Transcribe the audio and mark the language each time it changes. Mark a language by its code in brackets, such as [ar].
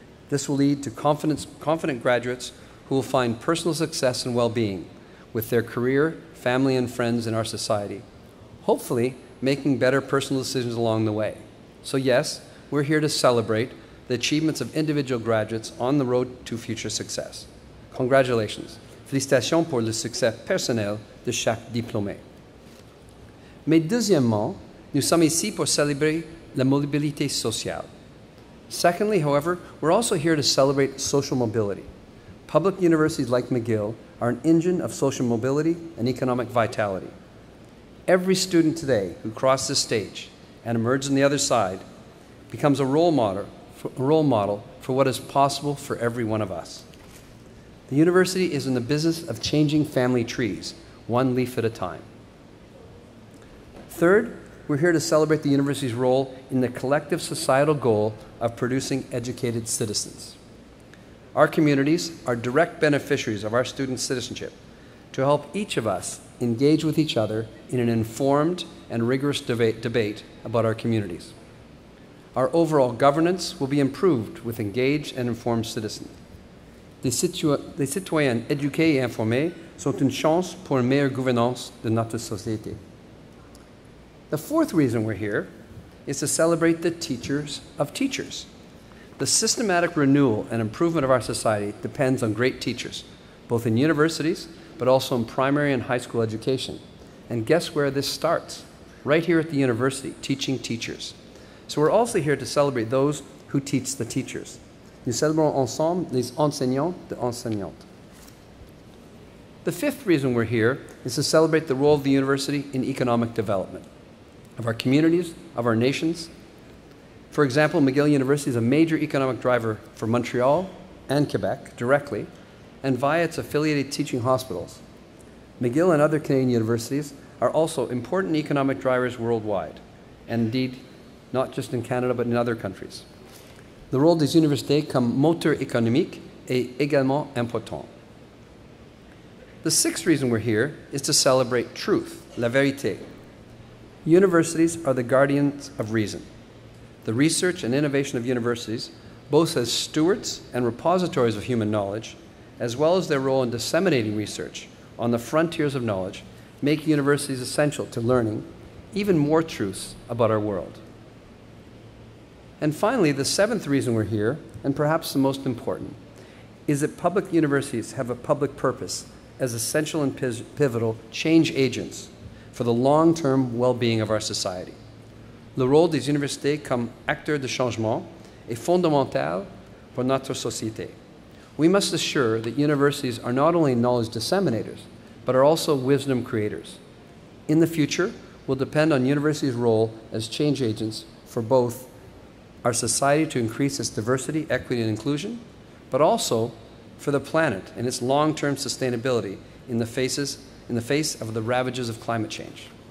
[en] This will lead to confident graduates who will find personal success and well-being with their career, family, and friends in our society, hopefully making better personal decisions along the way. So yes, we're here to celebrate the achievements of individual graduates on the road to future success. Congratulations. [fr] Félicitations pour le succès personnel de chaque diplômé. Mais deuxièmement, nous sommes ici pour célébrer la mobilité sociale. [en] Secondly, however, we're also here to celebrate social mobility. Public universities like McGill are an engine of social mobility and economic vitality. Every student today who crosses this stage and emerges on the other side becomes a role model for what is possible for every one of us. The university is in the business of changing family trees, one leaf at a time. Third, we're here to celebrate the university's role in the collective societal goal of producing educated citizens. Our communities are direct beneficiaries of our student citizenship to help each of us engage with each other in an informed and rigorous debate about our communities. Our overall governance will be improved with engaged and informed citizens. [fr] Les citoyens éduqués et informés sont une chance pour une meilleure gouvernance de notre société. [en] The fourth reason we're here is to celebrate the teachers of teachers. The systematic renewal and improvement of our society depends on great teachers, both in universities, but also in primary and high school education. And guess where this starts? Right here at the university, teaching teachers. So we're also here to celebrate those who teach the teachers. [fr] Nous célébrons ensemble les enseignants et enseignantes. [en] The fifth reason we're here is to celebrate the role of the university in economic development of our communities, of our nations. For example, McGill University is a major economic driver for Montreal and Quebec directly and via its affiliated teaching hospitals. McGill and other Canadian universities are also important economic drivers worldwide, and indeed, not just in Canada, but in other countries. [fr] Le rôle des universités comme moteur économique est également important. [en] The sixth reason we're here is to celebrate truth, [fr] la vérité. [en] Universities are the guardians of reason. The research and innovation of universities, both as stewards and repositories of human knowledge, as well as their role in disseminating research on the frontiers of knowledge, make universities essential to learning even more truths about our world. And finally, the seventh reason we're here, and perhaps the most important, is that public universities have a public purpose as essential and pivotal change agents for the long-term well-being of our society. [fr] Le rôle des universités comme acteurs de changement est fondamental pour notre société. [en] We must assure that universities are not only knowledge disseminators, but are also wisdom creators. In the future, will depend on universities' role as change agents for both our society to increase its diversity, equity, and inclusion, but also for the planet and its long-term sustainability in the face of the ravages of climate change.